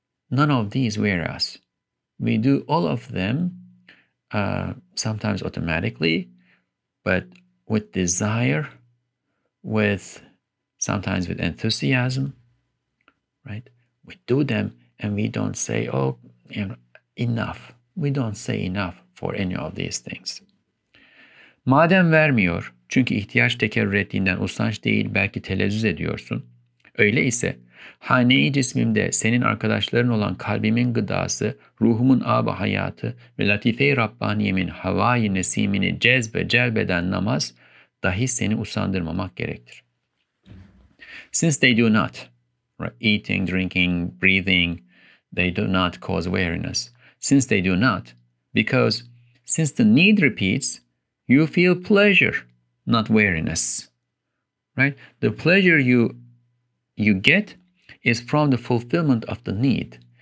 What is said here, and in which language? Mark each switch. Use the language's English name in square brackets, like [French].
[English] None of these wear us. We do all of them, sometimes automatically, but with desire, sometimes with enthusiasm, right? We do them and we don't say, enough. We don't say enough for any of these things. [Turkish] Madem vermiyor, çünkü ihtiyaç tekerrür ettiğinden usanç değil, belki telezzüz ediyorsun. Öyle ise, hane-i cismimde senin arkadaşların olan kalbimin gıdası, ruhumun âb-ı hayatı ve latife-i Rabbaniyemin havai nesimini cezbe celbeden namaz dahi seni usandırmamak gerektir. [English] Since they do not, right, eating, drinking, breathing, they do not cause weariness. Since they do not, because since the need repeats, you feel pleasure, not weariness. Right? The pleasure you get is from the fulfillment of the need.